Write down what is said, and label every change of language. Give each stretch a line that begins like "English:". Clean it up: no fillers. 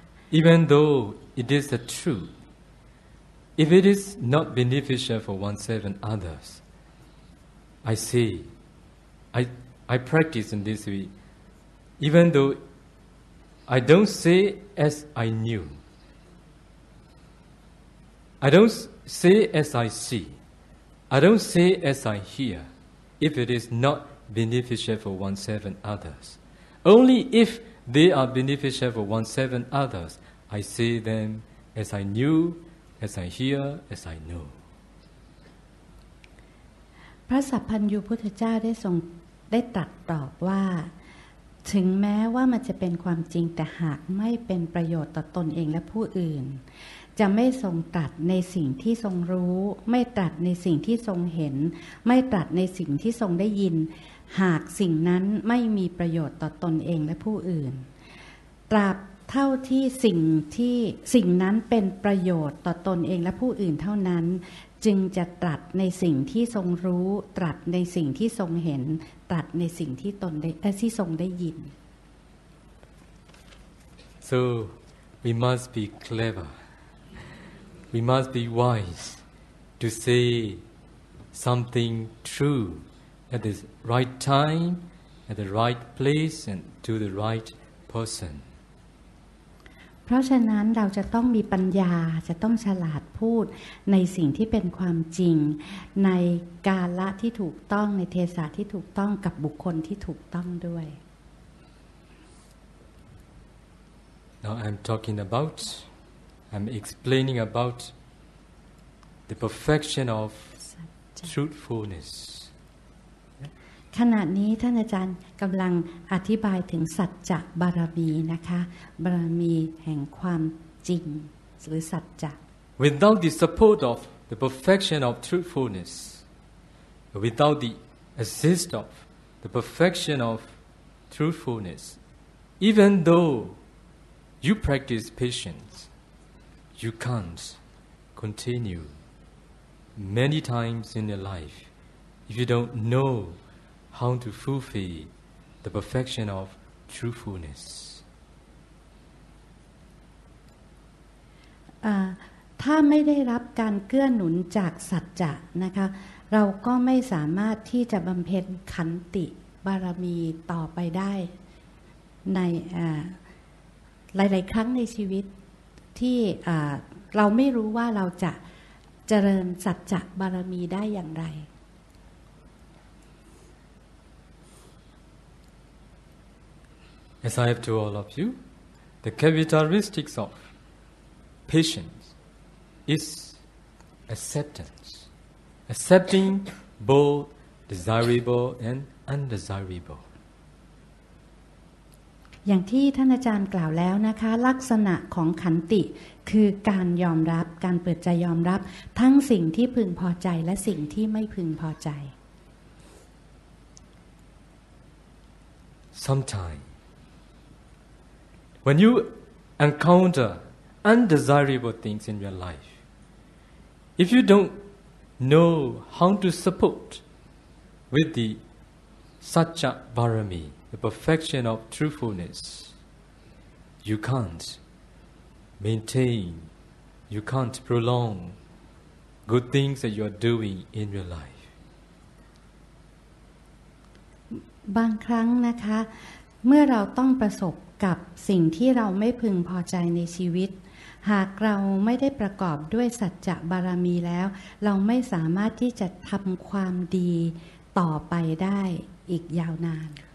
English: Even though it is the truth, if it is not beneficial for oneself and others, I see, I practice in this way, even though I don't say as I knew, I don't say as I see, I don't say as I hear, if it is notBeneficial for oneself and others. Only if they are beneficial for oneself and others, I see them as I knew, as I hear, as I know.
Thai: พระสัพพัญญุพุทธเจ้าได้ทรงได้ตรัสตอบว่าถึงแม้ว่ามันจะเป็นความจริงแต่หากไม่เป็นประโยชน์ต่อตนเองและผู้อื่นจะไม่ทรงตรัสในสิ่งที่ทรงรู้ไม่ตรัสในสิ่งที่ทรงเห็นไม่ตรัสในสิ่งที่ทรงได้ยินหากสิ่งนั้นไม่มีประโยชน์ต่อตนเองและผู้อื่นตราบเท่าที่ สิ่งนั้นเป็นประโยชน์ต่อตนเองและผู้อื่นเท่านั้นจึงจะตรัสในสิ่งที่ทรงรู้ตรัสในสิ่งที่ทรงเห็นตรัสในสิ่งที่ตนได้ที่ทรงได้ยิน
English: So we must be cleverWe must be wise to say something true at the right time, at the right place, and to the right person.
Thai: เพราะฉะนั้นเราจะต้องมีปัญญาจะต้องฉลาดพูดในสิ่งที่เป็นความจริงในกาลที่ถูกต้องในเทศะที่ถูกต้องกับบุคคลที่ถูกต้องด้วย
English: Now I'm talking about I'm explaining about the perfection of truthfulness
Thai: ขณะนี้ท่านอาจารย์กำลังอธิบายถึงสัจจะบารมีนะคะบารมีแห่งความจริงหรือสัจจะ
English: Without the support of the perfection of truthfulness without the assist of the perfection of truthfulness even though you practice patience you can't continue many times in your life if you don't knowHow to fulfill the perfection of truthfulness.
Thai: ถ้าไม่ได้รับการเกื้อหนุนจากสัจจะนะคะเราก็ไม่สามารถที่จะบำเพ็ญขันติบารมีต่อไปได้ในหลายๆครั้งในชีวิตที่เราไม่รู้ว่าเราจะเจริญสัจจะบารมีได้อย่างไร
English: As I have to all of you, the characteristics of patience is acceptance, accepting both desirable and undesirable.
Thai: อย่างที่ท่านอาจารย์กล่าวแล้วนะคะลักษณะของขันติคือการยอมรับการเปิดใจยอมรับทั้งสิ่งที่พึงพอใจและสิ่งที่ไม่พึงพอใจ
English: Sometimes. When you encounter undesirable things in your life, if you don't know how to support with the Sacca Barami, the perfection of truthfulness, you can't maintain, you can't prolong good things that you are doing in your life.
Thai: บางครั้งนะคะเมื่อเราต้องประสบกับสิ่งที่เราไม่พึงพอใจในชีวิตหากเราไม่ได้ประกอบด้วยสัจจะบารมีแล้วเราไม่สามารถที่จะทำความดีต่อไปได้อีกยาวนาน